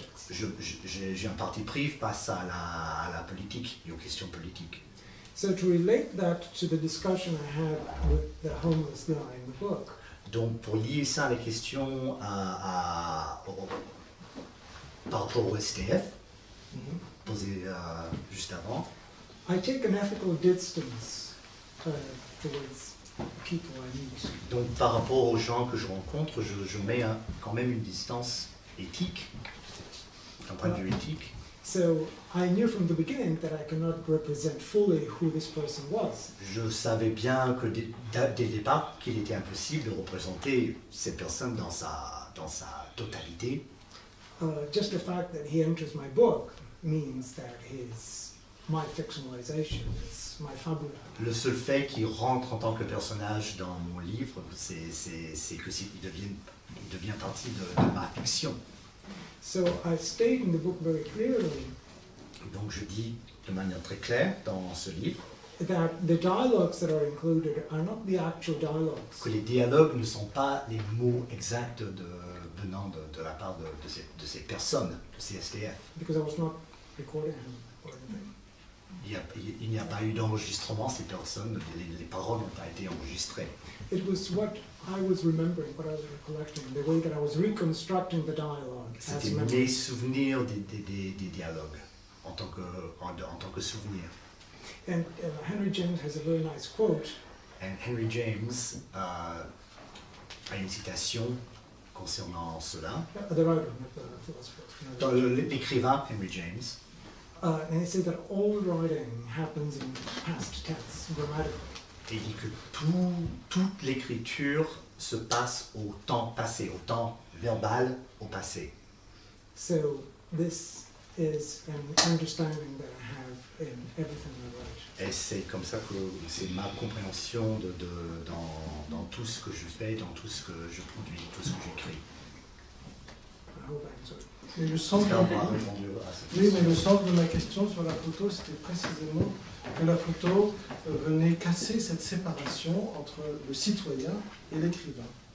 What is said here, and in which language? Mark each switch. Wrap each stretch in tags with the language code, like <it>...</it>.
<fr>J'ai un parti pris face à la politique et aux questions politiques.</fr> <en>So to relate that to the discussion I had with the homeless guy in the book.</en> <fr>Donc pour lier ça à la question par rapport au STF, mm-hmm. posée juste avant.</fr> <en>I take an ethical distance towards people I meet.</en> <fr>Donc par rapport aux gens que je rencontre, je mets quand même une distance éthique, d'un point de vue éthique.</fr> <en>So I knew from the beginning that I cannot represent fully who this person was.</en> <fr>Je savais bien que dès le départ qu'il était impossible de représenter cette personne dans sa totalité.</fr> <en>Just the fact that he enters my book means that my fictionalization is my fabula.</en> <fr>Le seul fait qu'il rentre en tant que personnage dans mon livre, c'est que il devient partie de ma fiction.</fr> <en>So I state in the book very clearly.</en> <fr>Donc je dis de manière très claire dans ce livre</fr> <en>that the dialogues that are included are not the actual dialogues.</en> <fr>Que les dialogues ne sont pas les mots exacts venant de la part de ces personnes, de ces SDF.</fr> <en>Because I was not recording him or anything.</en> <fr>Il n'y a pas eu d'enregistrement, ces personnes, les paroles n'ont pas été enregistrées.</fr> <en>It was what I was remembering, what I was recollecting, the way that I was reconstructing the dialogue.</en> <fr>C'était mes souvenirs des dialogues, en tant que souvenir.</fr> <en>And Henry James has a very nice quote.</en> <fr>And Henry James a une citation concernant cela.</fr> <en>The writer, not the philosopher.</en> <fr>Dans l'écrivain Henry James.</fr> <en>And they say that all writing happens in past tense, grammatically.</en> <fr>Et que toute l'écriture se passe au temps passé, au temps verbal, au passé.</fr> <en>So this is an understanding that I have in everything I write.</en> <fr>Et c'est comme ça que c'est ma compréhension dans tout ce que je fais, dans tout ce que je produis, tout ce que j'écris. Le sens de ma question sur la photo, c'était précisément que la photo venait casser cette séparation entre le citoyen et l'écrivain.</fr>